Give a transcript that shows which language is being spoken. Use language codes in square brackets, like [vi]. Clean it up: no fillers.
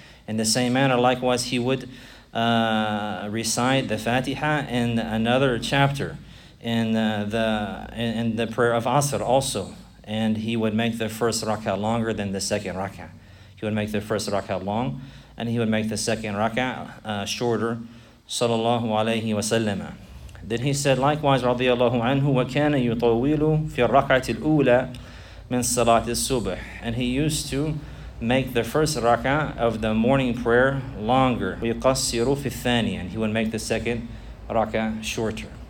[en] In the same manner, likewise, he would recite the Fatiha in another chapter in the prayer of Asr also. And he would make the first rak'ah longer than the second rak'ah. He would make the first rak'ah long, and he would make the second rak'ah shorter, sallallahu alayhi wa sallam. Then he said, likewise, radiallahu anhu, [ar] وَكَانَ يُطَوِّلُ فِي الرَّكْعَةِ الْأُولَى مِنْ صَلَاةِ الصُّبْحِ. [en] And he used to make the first rak'ah of the morning prayer longer. [ar] وَيُقَصِّرُ فِي الثَّانِيَةِ. [en] And he would make the second rak'ah shorter.